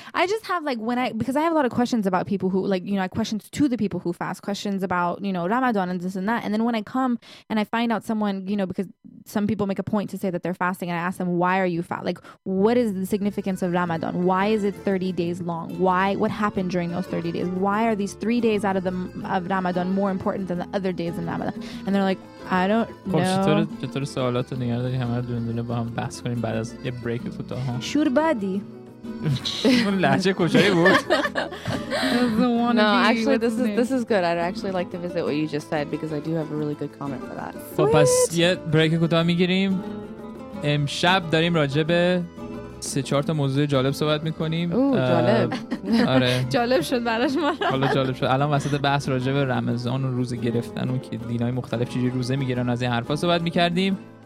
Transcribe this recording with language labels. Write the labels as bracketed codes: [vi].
[en] I just have like because I have a lot of questions about people who, like, you know, I questions to the people who fast, questions about, you know, Ramadan and this and that. And then when I come and I find out someone, you know, because some people make a point to say that they're fasting, and I ask them, why are you fat? Like, what is the significance of Ramadan? Why is it 30 days long? Why? What happened during those 30 days? Why are these 3 days out of the of Ramadan more important than the other days in Ramadan? And they're like, I don't know. [fa] چطور سوالات دیگه داری همه دونه با هم بحث کنیم بعد از یه بریک کوتاه. شوربادی. اون لحجه کجایی بود؟ [en] No, actually this is good. I'd actually like to visit what you just said because I do have a really good comment for that. [fa] خب پس یه بریک کوتاه میگیریم. امشب داریم راجع به 3-4 تا موضوع جالب صحبت میکنیم. جالب. آره. جالب شد براش ما. حالا جالب شد. الان وسط بحث راجع به رمضان و روزه گرفتن و که دینای مختلف چجوری روزه میگیرن از این حرفا صحبت میکردیم.